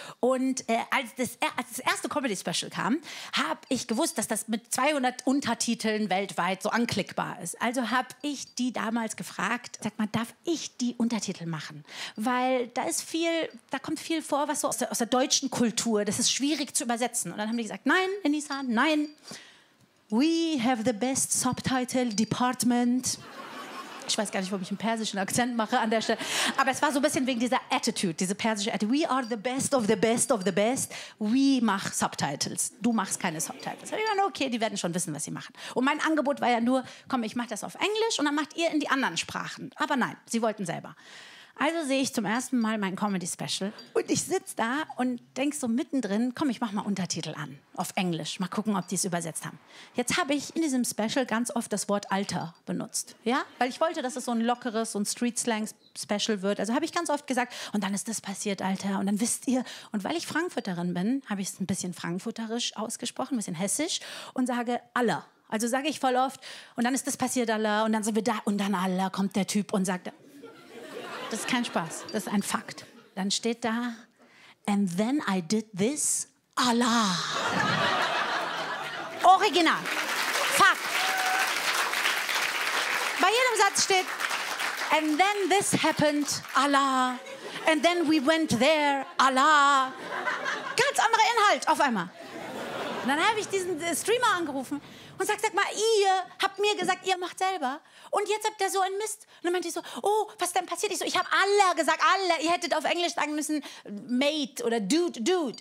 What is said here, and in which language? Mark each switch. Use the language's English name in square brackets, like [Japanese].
[German] Und als das erste Comedy-Special kam, habe ich gewusst, dass das mit 200 Untertiteln weltweit so anklickbar ist. Also habe ich die damals gefragt, sag mal, darf ich die Untertitel machen? Weil da kommt viel vor, was so aus der deutschen Kultur, das ist schwierig zu übersetzen. Und dann haben die gesagt, nein, Enisa, nein. [English] We have the best subtitle department. [German] Ich weiß gar nicht, warum ich einen persischen Akzent mache an der Stelle. Aber es war so ein bisschen wegen dieser Attitude, diese persische Attitude. [English] We are the best of the best of the best. We [German] mach [English] Subtitles. [German] Du machst keine Subtitles. Ich dachte, okay, die werden schon wissen, was sie machen. Und mein Angebot war ja nur, komm, ich mach das auf Englisch und dann macht ihr in die anderen Sprachen. Aber nein, sie wollten selber. Also sehe ich zum ersten Mal mein Comedy-Special und ich sitze da und denke so mittendrin, komm, ich mach mal Untertitel an, auf Englisch, mal gucken, ob die es übersetzt haben. Jetzt habe ich in diesem Special ganz oft das Wort Alter benutzt, ja? Weil ich wollte, dass es so ein lockeres, so ein Street-Slang-Special wird. Also habe ich ganz oft gesagt, und dann ist das passiert, Alter, und dann wisst ihr. Und weil ich Frankfurterin bin, habe ich es ein bisschen frankfurterisch ausgesprochen, ein bisschen hessisch und sage aller. Also sage ich voll oft, und dann ist das passiert, aller, und dann sind wir da, und dann aller kommt der Typ und sagt, das ist kein Spaß, das ist ein Fakt. Dann steht da, [English] and then I did this, Allah. [German] Original. Fakt. Bei jedem Satz steht, [English] and then this happened, Allah. And then we went there, Allah. [German] Ganz anderer Inhalt auf einmal. Und dann habe ich diesen Streamer angerufen und sag mal, ihr habt mir gesagt, ihr macht selber. Und jetzt habt ihr so einen Mist. Und dann meinte ich so, oh, was ist denn passiert? Ich so, ich hab alle gesagt, alle. Ihr hättet auf Englisch sagen müssen, mate oder dude, dude.